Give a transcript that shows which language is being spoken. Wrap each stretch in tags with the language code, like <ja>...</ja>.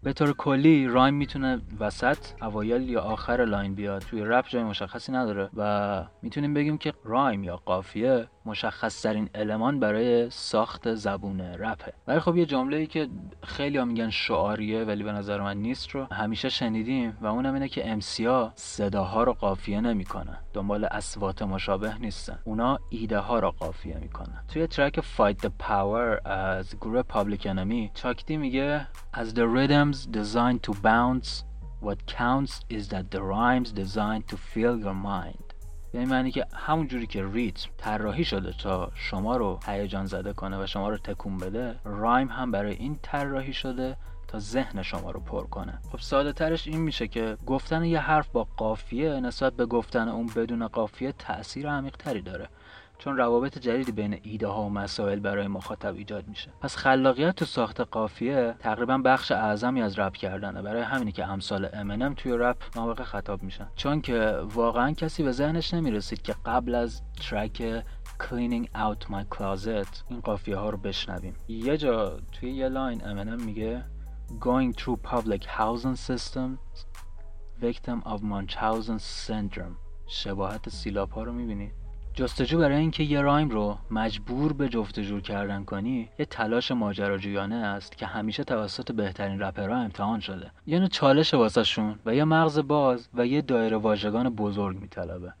<fa>به طور کلی رایم میتونه وسط، اوایل یا آخر لاین بیاد، توی رپ جای مشخصی نداره و میتونیم بگیم که رایم یا قافیه مشخص ترین المان برای ساخت زبون رپه. ولی خب یه جمله ای که خیلی ها میگن شعاریه ولی به نظر من نیست رو همیشه شنیدیم، و اونم اینه که MCA صداها رو قافیه نمی کنن، دنبال اصوات مشابه نیستن، اونا ایده ها رو قافیه می کنن. توی ترک Fight the Power از گروه Public Enemy چاک دی میگه</fa> <en>As the rhythms designed to bounce What counts is that the rhymes designed to fill your mind</en> <fa>به این معنی که همون جوری که ریتم طراحی شده تا شما رو هیجان زده کنه و شما رو تکون بده، رایم هم برای این طراحی شده تا ذهن شما رو پر کنه. خب ساده ترش این میشه که گفتن یه حرف با قافیه نسبت به گفتن اون بدون قافیه تأثیر عمیق تری داره، چون روابط جدیدی بین ایده ها و مسائل برای مخاطب ایجاد میشه. پس خلاقیت تو ساخت قافیه تقریبا بخش اعظمی از رپ کردنه، برای همینی که امثال امینم توی رپ مواقع خطاب میشن، چون که واقعا کسی به ذهنش نمیرسید که قبل از ترک Cleaning Out My Closet این قافیه ها رو بشنویم. یه جا توی یه لاین امینم میگه</fa> <en>Going through public housing system victim of Munchausen syndrome.</en> <fa>شباهت سیلاب ها رو میبینید؟ جستجو برای اینکه یه رایم رو مجبور به جفت جور کردن کنی یه تلاش ماجراجویانه است که همیشه توسط بهترین رپرها امتحان شده. یه نوع چالش واسه شون و یه مغز باز و یه دایره واژگان بزرگ میطلبه.</fa>